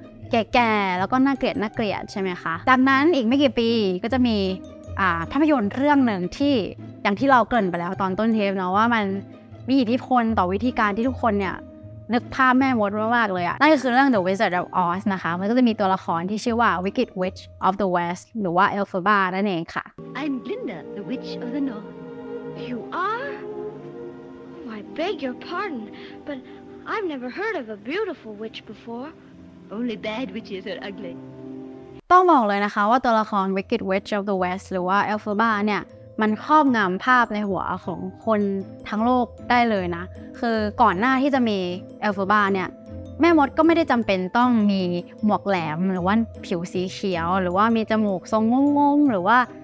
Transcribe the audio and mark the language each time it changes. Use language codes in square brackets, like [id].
[th] แก่ๆแล้วก็น่าเกลียดน่าเกลียดใช่มั้ยคะดังนั้นอีกไม่กี่ปีก็จะมีภาพยนตร์เรื่องหนึ่งที่อย่างที่เราเกริ่นไปแล้วตอนต้นเทปเนาะว่ามันมีอิทธิพลต่อวิธีการที่ทุกคนเนี่ยนึกภาพแม่มดมากๆเลยอะนั่นก็คือเรื่อง The Wizard of Oz นะคะมันก็จะมีตัวละครที่ชื่อว่า Wicked Witch of the West หรือว่า Elphaba นั่นเองค่ะ [en] I'm Glinda the Witch of the North You are oh, I beg your pardon but I've never heard of a beautiful witch beforeOnly bad witches are ugly. [th] ต้องบอกเลยนะคะว่าตัวละคร Wicked Witch of the West หรือว่า Elphaba เนี่ยมันครอบงำภาพในหัวของคนทั้งโลกได้เลยนะคือก่อนหน้าที่จะมี Elphaba เนี่ยแม่มดก็ไม่ได้จำเป็นต้องมีหมวกแหลมหรือว่าผิวสีเขียวหรือว่ามีจมูกทรงงงๆหรือว่า